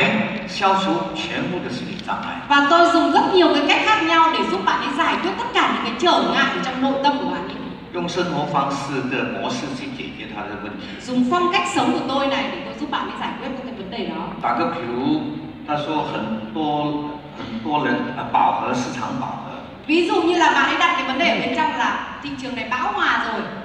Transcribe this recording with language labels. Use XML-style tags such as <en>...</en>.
<zh>我用很多很多的方法来消除全部的心理障碍。</zh> <vi>Và tôi dùng rất nhiều cái cách khác nhau để giúp bạn ấy giải quyết tất cả những cái trở ngại trong nội tâm của bạn ấy.</vi> <zh>用生活方式的模式去解决他的问题。</zh> <vi>Dùng phong cách sống của tôi này để tôi giúp bạn ấy giải quyết các cái vấn đề đó.</vi> <zh>打个比如，他说很多人饱和市场饱和。</zh> <vi>Ví dụ như là bạn ấy đặt cái vấn đề ở bên trong là thị trường này bão hòa rồi.</vi>